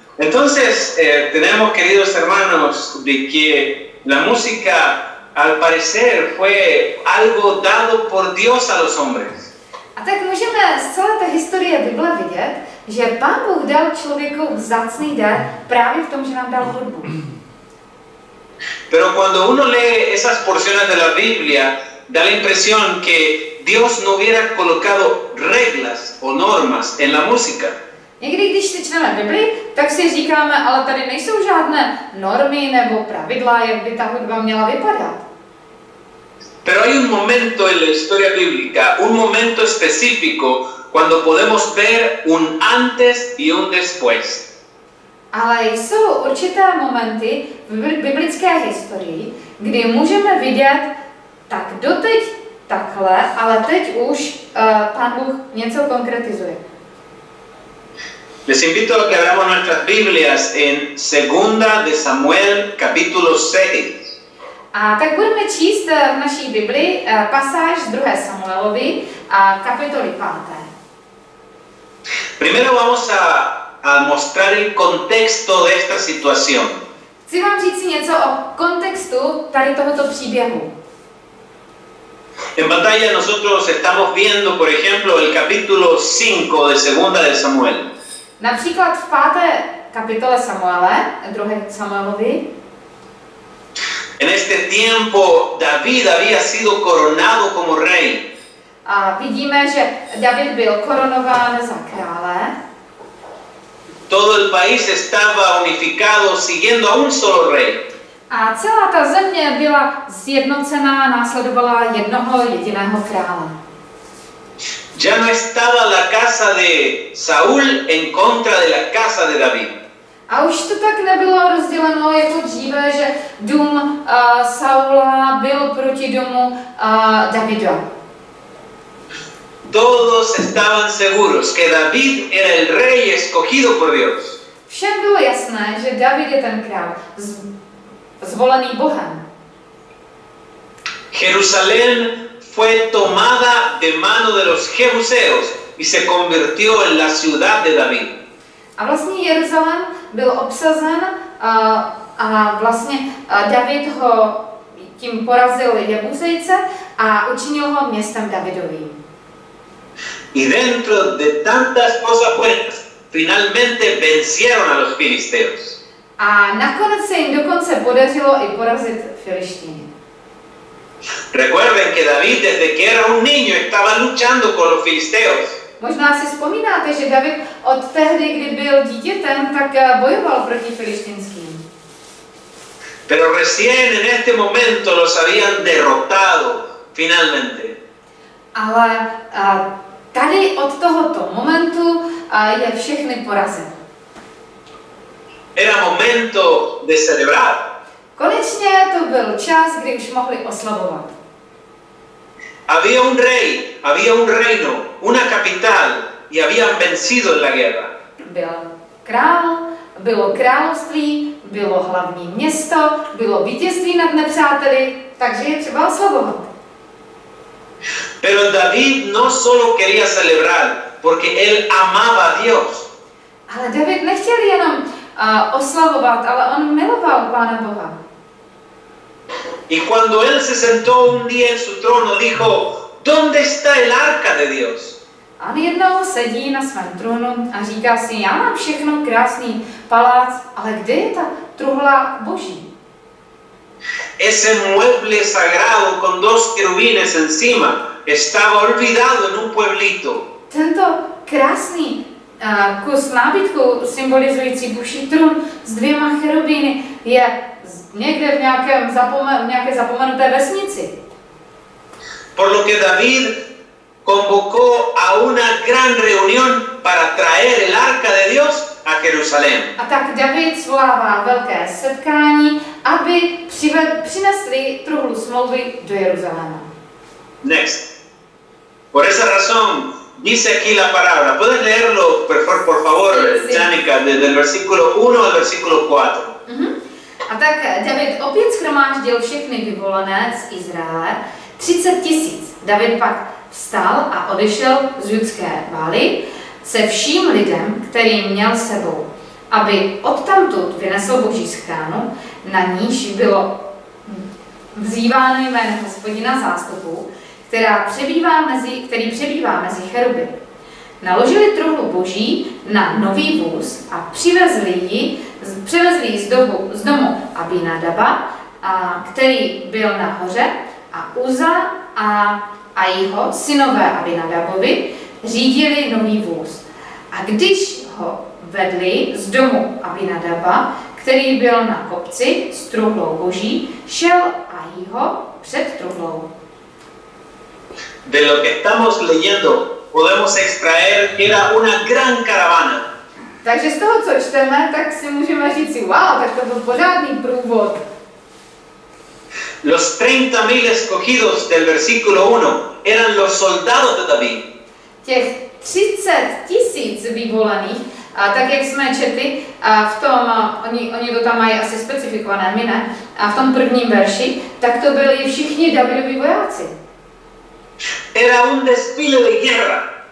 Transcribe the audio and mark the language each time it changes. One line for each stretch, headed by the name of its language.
Spanish: Entonces, tenemos, queridos hermanos, de que la música, al parecer, fue algo dado por Dios a los hombres.
Czech: A tak můžeme z celé té historie Bible vidět, že Pán Bůh dal člověku vzácný dar právě v tom, že nám dal hudbu.
Spanish: Pero cuando uno lee esas porciones de la Biblia, da la impresión que Dios no hubiera colocado reglas o normas en la música.
Czech: Někdy, když si čteme Bibli, tak si říkáme, ale tady nejsou žádné normy nebo pravidla, jak by ta hudba měla vypadat.
Spanish: Pero hay un momento en la historia bíblica, un momento específico, cuando podemos ver un antes y un después.
Czech: Ale jsou určité momenty v biblické historii, kdy můžeme vidět, tak doteď takhle, ale teď už Pán Bůh něco konkretizuje.
Spanish: Les invito a que abramos nuestras Biblias en 2 de Samuel, capítulo 6.
Czech: A tak budeme číst v naší Biblii pasáž 2 Samuelovi a kapitoly 5.
Spanish: Primero vamos a mostrar el contexto de esta situación.
Czech: Chci vám říct něco o kontextu tady tohoto příběhu.
Spanish: En pantalla nosotros estamos viendo, por ejemplo, el capítulo 5 de 2 de Samuel.
Czech: Například v 5. kapitole Samuele, 2. Samuelovi.
Spanish: En este tiempo David había sido coronado como rey.
Czech: A vidíme, že David byl koronován za krále.
Spanish: Todo el país estaba unificado siguiendo a un solo rey.
Czech: A celá ta země byla sjednocená, následovala jednoho jediného krále.
Spanish: Ya no estaba la casa de Saúl en contra de la casa de David.
Czech: A už to tak nebylo rozděleno jako dříve, že dům Saula byl proti domu Davida.
Spanish: Todos estaban seguros que David era el rey escogido por Dios.
Czech: Všem bylo jasné, že David je ten král, zvolený Bohem.
Spanish: Jerusalén fue tomada de mano de los jebuseos y se convirtió en la ciudad de David.
Czech: A vlastně Jeruzalém byl obsazen a vlastně David ho tím porazil Jebusejce a učinil ho městem Davidovým.
Spanish: Y dentro de tantas cosas buenas, finalmente vencieron a los filisteos.
Czech: A nakonec se jim dokonce podařilo i porazit filištiny.
Spanish: Recuerden que David desde que era un niño estaba luchando con los filisteos.
Czech: Možná si vzpomínáte, že David od tehdy, kdy byl dítětem, tak bojoval proti filištinským.
Spanish: Pero recién en este momento los habían derrotado finalmente.
Czech: Ale tady od tohoto momentu je všechny porazil.
Spanish: Era momento de celebrar.
Czech: Konečně to byl čas, kdy už mohli oslavovat.
Spanish: Había un rey, había un reino, una capital y habían vencido en la guerra.
Czech: Byl král, bylo království, bylo hlavní město, bylo vítězství nad nepřáteli, takže je třeba oslavovat.
Spanish: Pero David no solo quería celebrar, porque él amaba a Dios.
Czech: Ale David nechtěl jenom oslavovat, ale on miloval Pána Boha.
Spanish: Y cuando él se sentó un día en su trono, dijo, ¿dónde está el arca de Dios?
Czech: A on jednou sedí na svém trůnu a říká si, já mám všechno, krásný palác, ale kde je ta truhla Boží?
Spanish: Ese mueble sagrado con dos querubines encima estaba olvidado en un pueblito.
Czech: Tento krásný kus nábytku symbolizující Boží trůn s dvěma cherubíny je někde v nějakém nějaké zapomenuté vesnici.
Spanish: Por lo que David convocó a una gran reunión para traer el arca de Dios a Jerusalén.
Czech: A tak David svolává velké setkání, aby přinesli truhlu smlouvy do Jeruzaléma.
English: Next.
Spanish: Por esa razón dice aquí la palabra. ¿Puedes leerlo por favor, Janica, desde el versículo 1 al versículo 4?
Czech: A tak David opět shromáždil všechny vyvolené z Izraele, 30 tisíc. David pak vstal a odešel z judské vály se vším lidem, který měl sebou, aby odtamtud vynesl Boží schránu, na níž bylo vzýváno jméno Hospodina zástupů, který přebývá mezi cheruby. Naložili truhlu Boží na nový vůz a přivezli ji z domu Abinadaba, který byl nahoře, a Uza a jeho synové Abinadabovi řídili nový vůz. A když ho vedli z domu Abinadaba, který byl na kopci s truhlou Boží, šel a jeho před truhlou.
Spanish: De lo que estamos leyendo podemos extraer que era una gran caravana.
Czech: Takže z toho, co čteme, tak si můžeme říct, wow, tak to byl pořádný průvod.
Spanish: Los 30.000 escogidos del versículo 1 eran los soldados de David.
Czech: Těch 30 tisíc vyvolených, a tak jak jsme četli, a v tom, oni to tam mají asi specifikované, my ne, a v tom prvním verši, tak to byli všichni Davidovi vojáci.
Spanish: Era un desfile de guerra.